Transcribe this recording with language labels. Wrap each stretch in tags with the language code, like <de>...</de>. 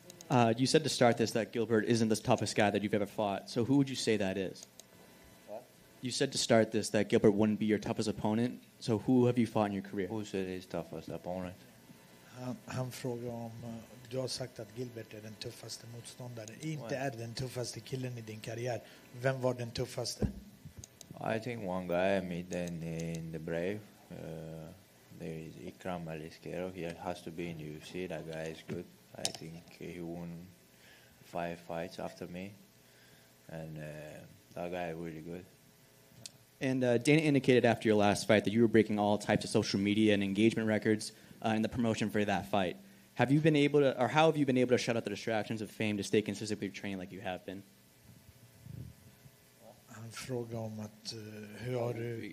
<en>You said to start this that Gilbert isn't the toughest guy that you've ever fought. So who would you say that is? You said to start this that Gilbert wouldn't be your toughest opponent. So who have you fought in your career? Who said he's toughest opponent?</en> <sv>Han frågar om du har sagt att Gilbert är den tuffaste motståndaren. Inte är den tuffaste killen I din karriär. Vem var den tuffaste?</sv> <en>I think one guy I met in the Brave. There is Ikram Aliskerov. He has to be in UFC. That guy is good. I think he won 5 fights after me. And that guy is really good. And Dana indicated after your last fight that you were breaking all types of social media and engagement records in the promotion for that fight. Have you been able to, or how have you been able to shut out the distractions of fame to stay consistent with your training like you have been?</en> <sv>Han frågar om att hur har du...</sv>